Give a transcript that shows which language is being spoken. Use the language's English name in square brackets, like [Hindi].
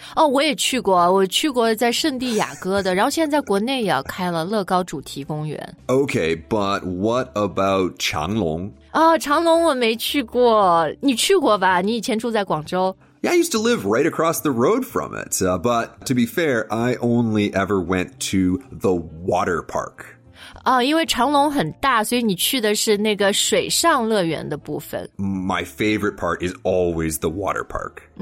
[Chinese] Oh, 我也去过。我去过在圣地亚哥的。然后现在在国内也要开了乐高主题公园。 [English] Okay, but what about 长隆? [Chinese] Oh, 长隆我没去过。你去过吧?你以前住在广州。 [English] Yeah, I used to live right across the road from it, but to be fair, I only ever went to the water park. [Chinese] 因为长隆很大，所以你去的是那个水上乐园的部分。 [English] My favorite part is always the water park.